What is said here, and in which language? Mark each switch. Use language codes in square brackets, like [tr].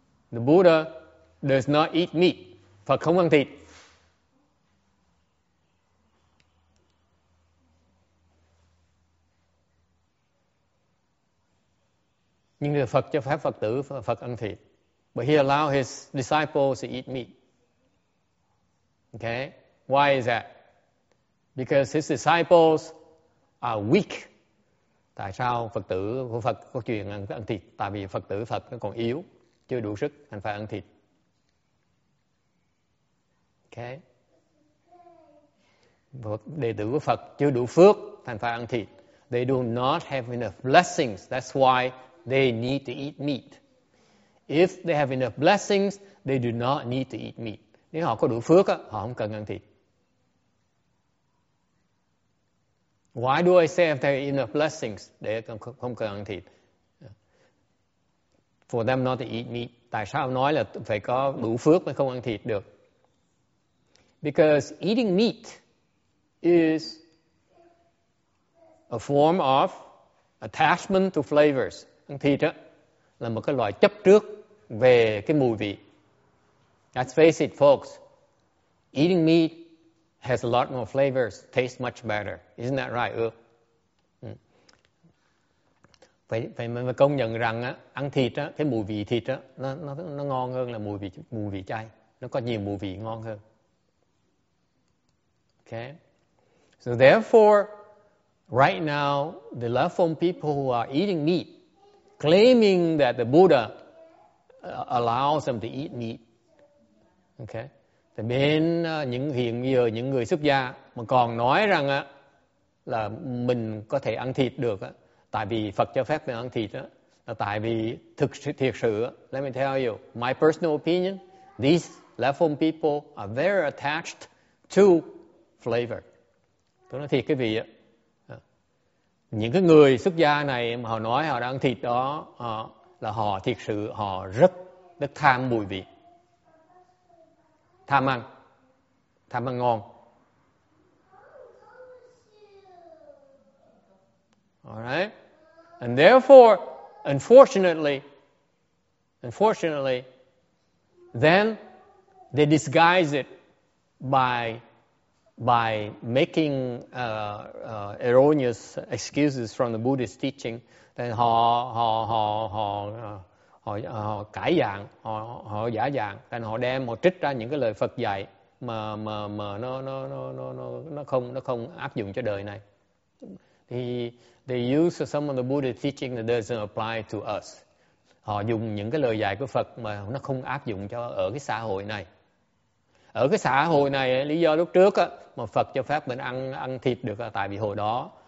[en] The Buddha does not eat meat. [vi] Phật không ăn thịt. Nhưng Phật cho phép Phật tử Phật ăn thịt. [en] But he allow his disciples to eat meat. Okay? Why is that? Because his disciples are weak. [vi] Tại sao Phật tử của Phật có chuyện ăn thịt? Tại vì Phật tử Phật nó còn yếu. Chưa đủ sức, anh phải ăn thịt. [en] Okay. [vi] Đệ tử của Phật chưa đủ phước, anh phải ăn thịt. [en] They do not have enough blessings. That's why they need to eat meat. If they have enough blessings, they do not need to eat meat. [vi] Nếu họ có đủ phước, họ không cần ăn thịt. [en] Why do I say if they have enough blessings? [vi] They không cần ăn thịt. [en] For them not to eat meat. [vi] Tại sao nói là phải có đủ phước mới không ăn thịt được? [en] Because eating meat is a form of attachment to flavors. [vi] Ăn thịt đó là một cái loại chấp trước về cái mùi vị. [en] Let's face it, folks. Eating meat has a lot more flavors, tastes much better. Isn't that right? Ừ. [vi] Phải công nhận rằng á, ăn thịt á, cái mùi vị thịt á, nó ngon hơn là mùi vị chay. Nó có nhiều mùi vị ngon hơn. [en] Okay. So therefore, right now, the leftover people who are eating meat, claiming that the Buddha allows them to eat meat. Okay. [vi] Thì bên hiện giờ những người xuất gia mà còn nói rằng á, là mình có thể ăn thịt được á, tại vì Phật cho phép mình ăn thịt đó, là tại vì thiệt sự, [en] let me tell you, my personal opinion, these leftover people are very attached to flavor. [vi] Tôi nói thiệt cái vị á, những cái người xuất gia này mà họ nói họ đang ăn thịt đó, họ là họ thiệt sự họ rất tham mùi vị, tham ăn ngon. [en] Alright, and therefore, unfortunately, then they disguise it by making erroneous excuses from the Buddhist teaching. [vi] Then họ cải dạng, họ giả dạng. Then họ đem họ trích ra những cái lời Phật dạy mà nó không áp dụng cho đời này. [en] Thì they use some of the Buddhist teaching that doesn't apply to us. [vi] Họ dùng những cái lời dạy của Phật mà nó không áp dụng cho ở cái xã hội này. Ở cái xã hội này, lý do lúc trước á, mà Phật cho phép mình ăn thịt được là tại vì hồi đó.